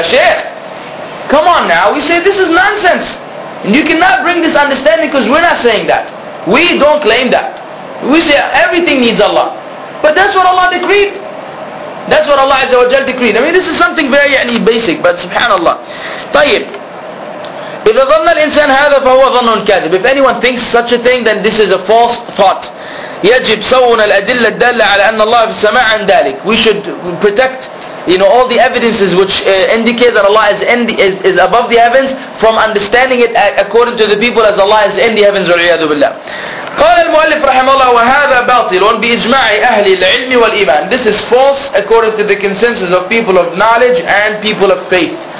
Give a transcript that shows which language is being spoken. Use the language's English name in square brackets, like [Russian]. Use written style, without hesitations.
[English] Shaykh, come on now. We say this is nonsense. And you cannot bring this understanding because we're not saying that. We don't claim that. We say everything needs Allah. But that's what Allah decreed. That's what Allah Azza wa Jal decreed. I mean, this is something very basic, but subhanAllah. [Arabic] طيب. إذا ظن الإنسان هذا فهو ظن كاذب. [English] If anyone thinks such a thing, then this is a false thought. [Arabic] يجب سوّن الأدلة الدالة على أن الله في السماء عن ذلك. [English] We should protect, you know, all the evidences which indicate that Allah is above the heavens from understanding it according to the people as Allah is in the heavens. [Arabic] والعياذ بالله. قال المؤلف رحمه الله وهذا باطل بإجماع أهل العلم والإيمان. [English] This is false according to the consensus of people of knowledge and people of faith.